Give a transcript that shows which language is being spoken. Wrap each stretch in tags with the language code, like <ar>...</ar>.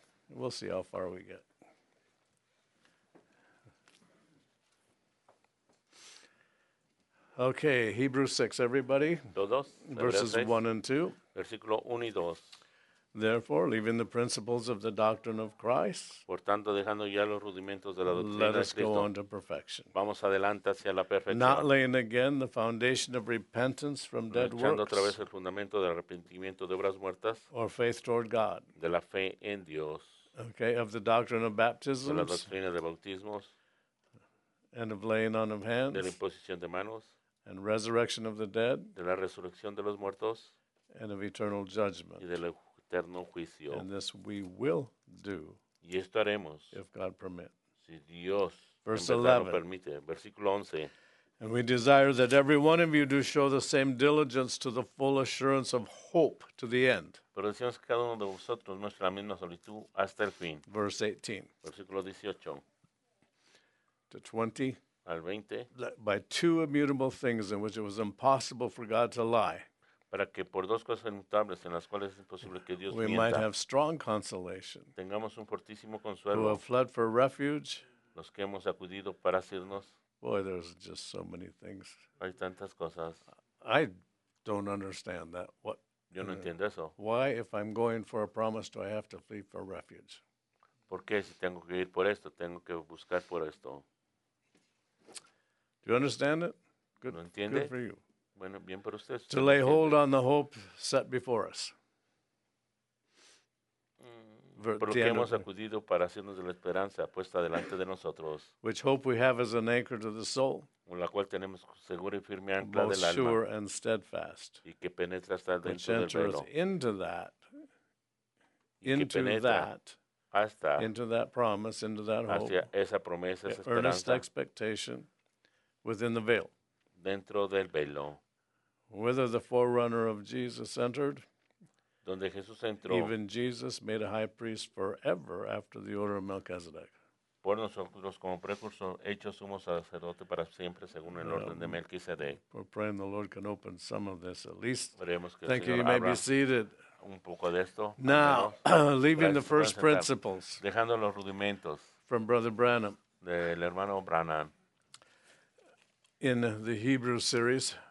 <en>We'll see how far we get. Okay, Hebrews 6, everybody.</en> <es>Todos,</es> <en>verses 6, 1 and 2.</en> <es>Versículo 1 y 2.</es> <en>Therefore, leaving the principles of the doctrine of Christ,</en> <es>por tanto, dejando ya los rudimentos de la doctrina</es> <en>let us</en> <es>de Cristo,</es> <en>go on to perfection.</en> <es>Vamos adelante hacia la perfección.</es> <en>Not laying again the foundation of repentance from dead</en> <es>echando</es> <en>works,</en> <es>otra vez el fundamento del arrepentimiento de obras muertas,</es> <en>or faith toward God,</en> <es>de la fe en Dios,</es> <en>okay, of the doctrine of baptisms,</en> <es>de la doctrina de bautismos,</es> <en>and of laying on of hands,</en> <es>de la imposición de manos,</es> <en>and resurrection of the dead,</en> <es>de la resurrección de los muertos,</es> <en>and of eternal judgment,</en> <es>y del eterno juicio.</es> <en>And this we will do,</en> <es>y esto haremos,</es> <en>if God permit.</en> <es>Si Dios</es> <en>verse 11.</en> <es>Permite. Versículo 11.</es> <en>And we desire that every one of you do show the same diligence to the full assurance of hope to the end.</en> <es>Pero decimos que cada uno de vosotros muestre la misma solicitud hasta el fin.</es> <en>Verse 18.</en> <es>Versículo 18.</es> <en>To 20.</en> <es>Al 20.</es> <en>By two immutable things in which it was impossible for God to lie.</en> <es>Para que por dos cosas inmutables en las cuales es imposible que Dios</es> <en>we</en> <es>mienta.</es> <en>We might have strong consolation.</en> <es>Tengamos un fortísimo consuelo.</es> <en>Who have fled for refuge.</en> <es>Los que hemos acudido para asirnos.</es> <en>Boy, there's just so many things.</en> <es>Hay tantas cosas.</es> <en>I don't understand that. What?</en> <es>Yo no entiendo eso.</es> <en>Why, if I'm going for a promise, do I have to flee for refuge?</en> <es>¿Por qué si tengo que ir por esto? Tengo que buscar por esto.</es> <en>Do you understand it?</en> <es>Good, ¿lo entiende?</es> <en>Good for you.</en> <es>Bueno, bien para usted,</es> <en>to lay hold on the hope set before us.</en> <es>Porque hemos acudido para hacernos de la esperanza puesta delante de nosotros.</es> <en>Which hope we have as an anchor to the soul.</en> <es>Con la cual tenemos segura y firme ancla del alma.</es> <en>Both sure and steadfast.</en> <es>Y que penetra hasta dentro del velo.</es> <en>Which enters into that. Into that.</en> <es>Hasta.</es> <en>Into that promise, into that hope.</en> <es>Hacia esa promesa, esa</es> <en>esperanza. Earnest expectation. Within the veil.</en> <es>Dentro del velo.</es> <en>Whither the forerunner of Jesus entered.</en> <es>Donde Jesús entró.</es> <en>Even Jesus made a high priest forever after the order of Melchizedek.</en> <es>Por nosotros como precursor, hecho sumo sacerdote para siempre según el orden de Melquisedec.</es> <en>We're praying the Lord can open some of this at least.</en> <es>Veremos que</es> <en>thank</en> <es>el Señor</es> <en>you, you may be seated.</en> <es>Un poco de esto.</es> <en>Now, leaving the first principles.</en> <es>Dejando los rudimentos.</es> <en>From Brother Branham.</en> <es>Del hermano Branham.</es> <en>In the Hebrew series,</en>